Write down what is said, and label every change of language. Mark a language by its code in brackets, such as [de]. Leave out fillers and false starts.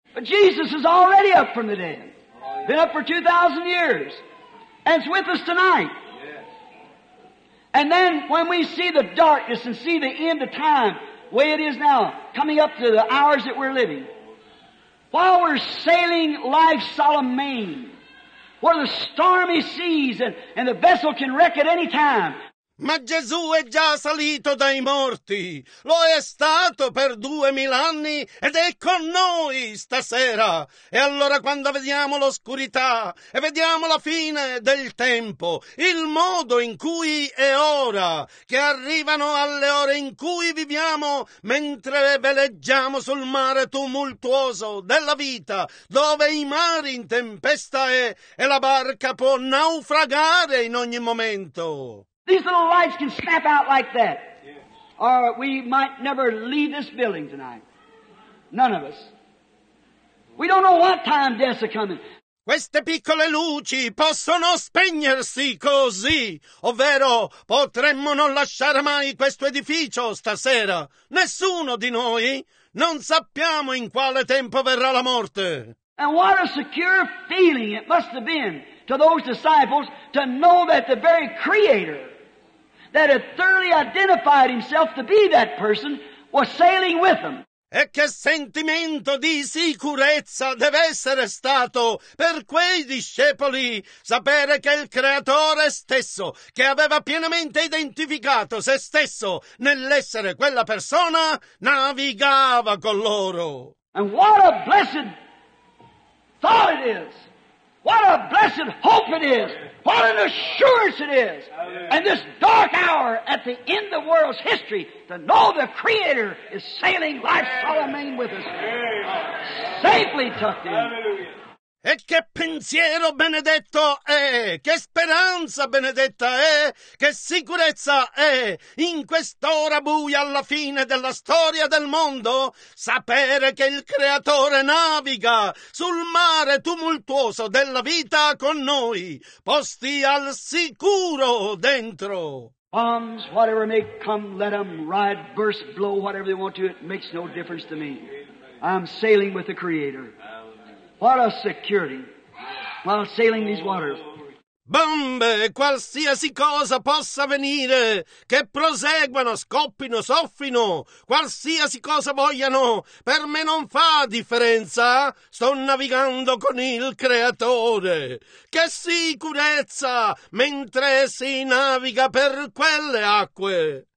[en] But Jesus is already up from the dead. Been up for 2,000 years. And it's with us tonight. And then when we see the darkness and see the end of time, way it is now, coming up to the hours that we're living. While we're sailing life's solemn main, where the stormy seas and the vessel can wreck at any time. [it] Ma Gesù è già salito dai morti. Lo è stato per 2,000 anni ed è con noi stasera. E allora quando vediamo l'oscurità e vediamo la fine del tempo, il modo in cui è ora, che arrivano alle ore in cui viviamo mentre veleggiamo sul mare tumultuoso della vita, dove i mari in tempesta e la barca può naufragare in ogni momento. [en] These little lights can snap out like that. Yes. Or we might never leave this building tonight. None of us. We don't know what time death is coming. [it] Queste piccole luci possono spegnersi così, ovvero potremmo non lasciare mai questo edificio stasera. Nessuno di noi non sappiamo in quale tempo verrà la morte. [en] And what a secure feeling it must have been to those disciples to know that the very Creator that had thoroughly identified himself to be that person was sailing with them. [it] E che sentimento di sicurezza deve essere stato per quei discepoli sapere che il Creatore stesso, che aveva pienamente identificato se stesso nell'essere quella persona, navigava con loro. [en] And what a blessed thought it is! What a blessed hope it is! What an assurance it is! And this dark hour at the end of the world's history, to know the Creator is sailing life's solemn main with us. Safely tucked in. [it] E che pensiero benedetto è, che speranza benedetta è, che sicurezza è, in quest'ora buia alla fine della storia del mondo, sapere che il Creatore naviga sul mare tumultuoso della vita con noi, posti al sicuro dentro. [en] Bombs, whatever may come, let them ride, burst, blow, whatever they want to, it makes no difference to me. I'm sailing with the Creator. What a security while sailing these waters. [it] Bombe, qualsiasi cosa possa venire, che proseguano, scoppino, soffino, qualsiasi cosa vogliano, per me non fa differenza, sto navigando con il Creatore. Che sicurezza mentre si naviga per quelle acque.